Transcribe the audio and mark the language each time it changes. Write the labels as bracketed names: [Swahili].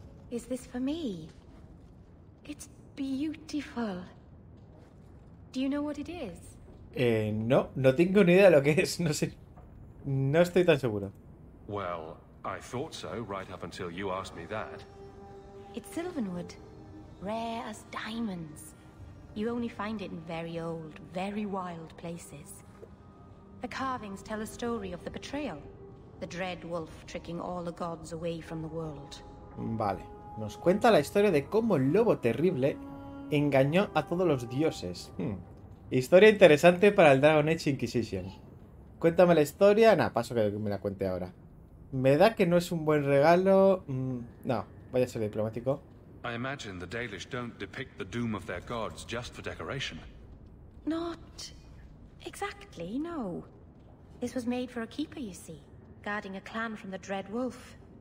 [English] Is this for me? It's beautiful. Do you know what it is? [Spanish] No tengo ni idea de lo que es, no sé. No estoy tan seguro. [English] Well, I thought so right up until you asked me that. It's Sylvanwood, rare as diamonds. You only find it in very old, very wild places. The carvings tell a story of the betrayal, the dread wolf tricking all the gods away from the world. [Spanish] Vale. Nos cuenta la historia de cómo el lobo terrible engañó a todos los dioses. Historia interesante para el Dragon Age Inquisition. Cuéntame la historia. Nah, paso que me la cuente ahora. Me da que no es un buen regalo. No, voy a ser diplomático. [English] I imagine the Dalish don't depict the doom of their gods just for decoration. Not exactly, no. This was made for a keeper, you see, guarding a clan from the dread wolf.